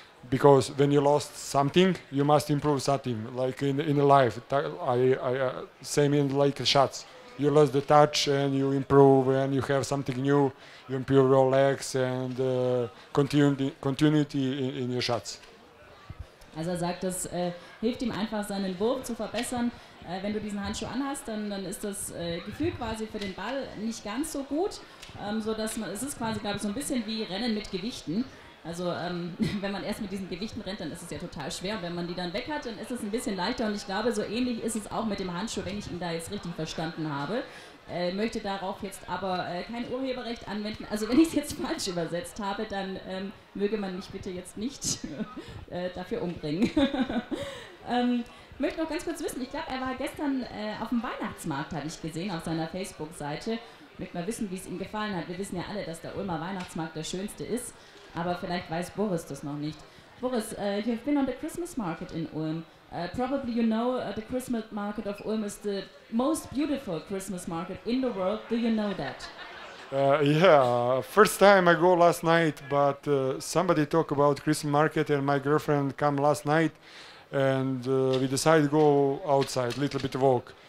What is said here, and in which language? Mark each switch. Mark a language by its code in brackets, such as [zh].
[en] Because when you lost something, you must improve something, like in life. Same in like shots. You lose the touch and you improve, and you have something new, you improve your legs and continuity in your shots. [de] Also er sagt, das hilft ihm einfach, seinen Wurf zu verbessern. Wenn du diesen Handschuh anhast, dann ist das Gefühl quasi für den Ball nicht ganz so gut. Es ist quasi, glaube ich, so ein bisschen wie Rennen mit Gewichten. Also wenn man erst mit diesen Gewichten rennt, dann ist es ja total schwer. Und wenn man die dann weg hat, dann ist es ein bisschen leichter. Und ich glaube, so ähnlich ist es auch mit dem Handschuh, wenn ich ihn da jetzt richtig verstanden habe. Möchte darauf jetzt aber kein Urheberrecht anwenden. Also wenn ich es jetzt falsch übersetzt habe, dann möge man mich bitte jetzt nicht dafür umbringen. Möchte noch ganz kurz wissen, ich glaube, er war gestern auf dem Weihnachtsmarkt, habe ich gesehen, auf seiner Facebook-Seite. Möchte mal wissen, wie es ihm gefallen hat. Wir wissen ja alle, dass der Ulmer Weihnachtsmarkt der schönste ist, aber vielleicht weiß Boris das noch nicht. [en] Boris, you've been on the Christmas market in Ulm. Probably you know the Christmas market of Ulm is the most beautiful Christmas market in the world. Do you know that? Yeah, first time I go last night, but somebody talk about Christmas market and my girlfriend come last night, and we decide to go outside, little bit walk.